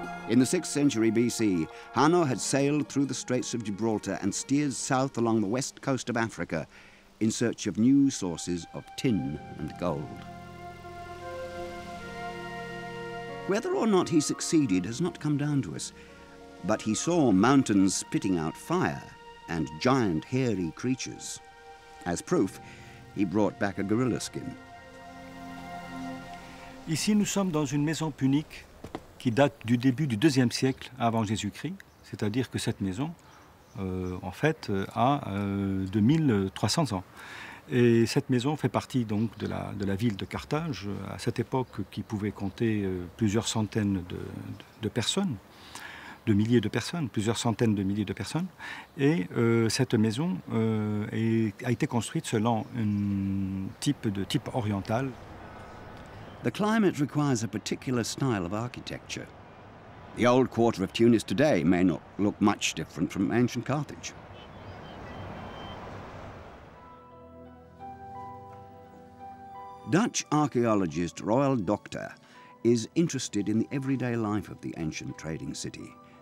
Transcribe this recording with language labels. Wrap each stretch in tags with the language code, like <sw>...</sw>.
<en>In the 6th century BC, Hanno had sailed through the Straits of Gibraltar and steered south along the west coast of Africa in search of new sources of tin and gold. Whether or not he succeeded has not come down to us. But he saw mountains spitting out fire and giant hairy creatures. As proof, he brought back a gorilla skin.</en> <fr>Ici, nous sommes dans une maison punique qui date du début du deuxième siècle avant Jésus-Christ. C'est-à-dire que cette maison, en fait, a 2300 ans. Et cette maison fait partie donc de la ville de Carthage, à cette époque qui pouvait compter plusieurs centaines de personnes. de milliers de personnes, plusieurs centaines de milliers de personnes. Et cette maison a été construite selon un type de type oriental.</fr> <en>The climate requires a particular style of architecture. The old quarter of Tunis today may not look much different from ancient Carthage. Dutch archaeologist Royal Doctor is interested in the everyday life of the ancient trading city.</en>